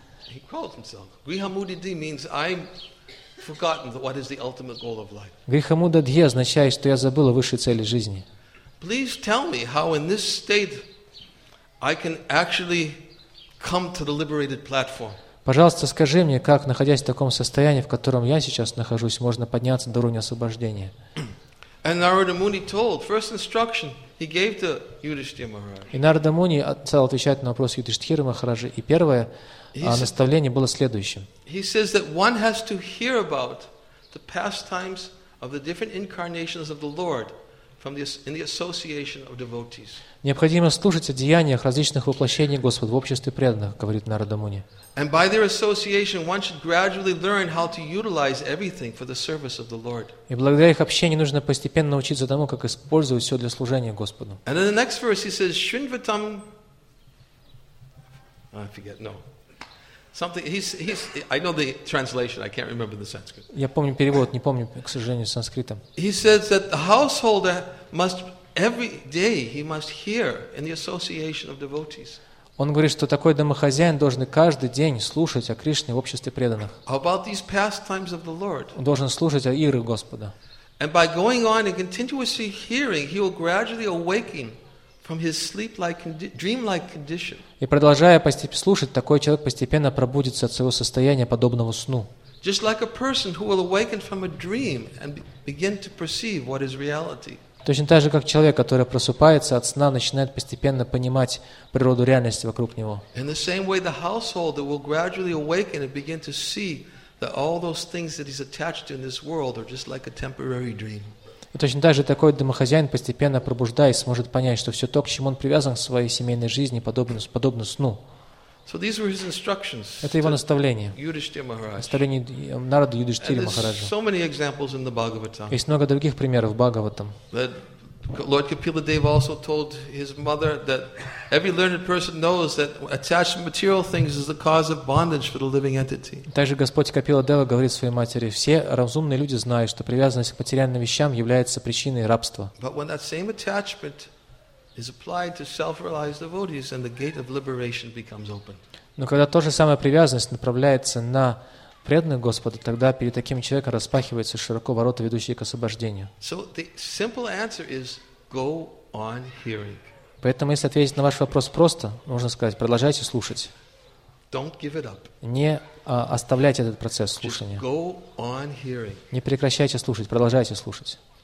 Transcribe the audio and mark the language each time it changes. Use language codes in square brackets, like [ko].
[en] He calls himself Гриха Мудхади, means I'm forgotten what is the ultimate goal of life. [ru] Гриха Мудхади означает, что я забыл о высшей цели жизни. [en] Please tell me how in this state I can actually come to the liberated platform. [ru] Пожалуйста, скажи мне, как, находясь в таком состоянии, в котором я сейчас нахожусь, можно подняться до уровня освобождения. [en] And Narada Muni told, first instruction he gave to Yudhishthira Maharaj. [ru] И Нарада Муни стал отвечать на вопрос Юдиштхира Махараджа, и первое наставление было следующим. [en] He says that one has to hear about the pastimes of the different incarnations of the Lord from this in the association of devotees. [ru] Необходимо слушать о деяниях различных воплощений Господа в обществе преданных, говорит Нарада Муни. [en] And by their association, one should gradually learn how to utilize everything for the service of the Lord. [ru] И благодаря их общению нужно постепенно научиться тому, как использовать все для служения Господу. [en] And in the next verse, he says, "Shrinvatam." I forget. No, something. He's. I know the translation. I can't remember the Sanskrit. [ru] Я помню перевод, не помню, к сожалению, санскрита. [en] He says that the householder must every day he must hear in the association of devotees. [ru] Он говорит, что такой домохозяин должен каждый день слушать о Кришне в обществе преданных. Он должен слушать о играх Господа. [en] And by going on and continuously hearing, he will gradually awaken from his sleep-like, dream-like condition. [ru] И продолжая слушать, такой человек постепенно пробудится от своего состояния подобного сну. [en] Just like a person who will awaken from a dream and begin to perceive what is reality. [ru] Точно так же, как человек, который просыпается от сна, начинает постепенно понимать природу реальности вокруг него. [en] In the same way, the householder will gradually awaken and begin to see that all those things that he's attached to in this world are just like a temporary dream. [ru] И точно так же такой домохозяин, постепенно пробуждаясь, сможет понять, что все то, к чему он привязан в своей семейной жизни, подобно сну. [en] So these were his instructions. [ru] Это его наставление. Юдиштхира Махараджа. Наставление Нарада Юдиштхира Махараджа. [en] So many examples in the Bhagavatam. [ru] Есть много других примеров в Бхагаватам. [en] Lord Kapiladeva also told his mother that every learned person knows that attachment to material things is the cause of bondage for the living entity. [ru] Также Господь Капиладева говорит своей матери: все разумные люди знают, что привязанность к материальным вещам является причиной рабства. [en] But when that same attachment is applied to self-realized devotees, and the gate of liberation becomes open. [ru] Но когда то же самое привязанность направляется на преданных Господа, тогда перед таким человеком распахиваются широко ворота, ведущие к освобождению. [en] So the simple answer is go on hearing. [ru] Поэтому, если ответить на ваш вопрос просто, можно сказать: продолжайте слушать. [en] Don't give it up. [ru] Не оставляйте этот процесс слушания. [en] Just go on hearing. [ru] Не прекращайте слушать, продолжайте слушать.